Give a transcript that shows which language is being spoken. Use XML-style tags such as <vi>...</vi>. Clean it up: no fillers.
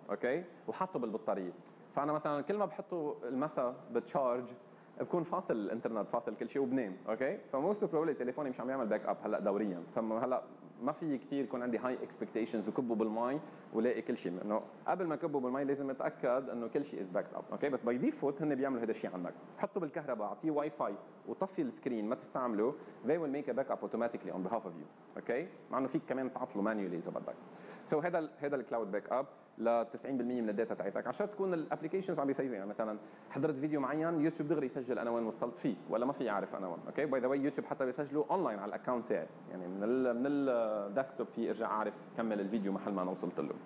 <ar>اوكي، وحطه بالبطاريه، فانا مثلا كل ما بحطه المسا بتشارج بكون فاصل الانترنت، فاصل كل شيء وبنام. اوكي، فموست بروبلي تليفوني مش عم يعمل باك اب هلا دوريا، فهلا ما في كثير يكون عندي</ar> <en>high expectations</en> <ar>وكبه بالماي ولاقي كل شيء. إنه قبل ما كبه بالماي لازم أتأكد إنه كل شيء</ar> <en>is backed up.</en> <ar>أوكي بس</ar> <en>by default</en> <ar>هن بيعملوا هذا الشيء عنك. حطه بالكهرباء, أعطيه واي فاي وطفي السكرين ما تستعمله.</ar> <en>They will make a backup automatically on behalf of you.</en> <ar>أوكي مع إنه فيك كمان تعطله manually إذا بدك. So هذا الكلاود باك اب ل 90% من الداتا تاعتك عشان تكون الابلكيشنز عم بيسيفها. يعني مثلا حضرت فيديو معين يوتيوب دغري يسجل انا وين وصلت فيه ولا ما في يعرف انا وين. اوكي باي ذا واي يوتيوب حتى بيسجله اونلاين على الاكونت تاعي, يعني من الديسكتوب في ارجع اعرف كمل الفيديو محل ما انا وصلت له.</ar>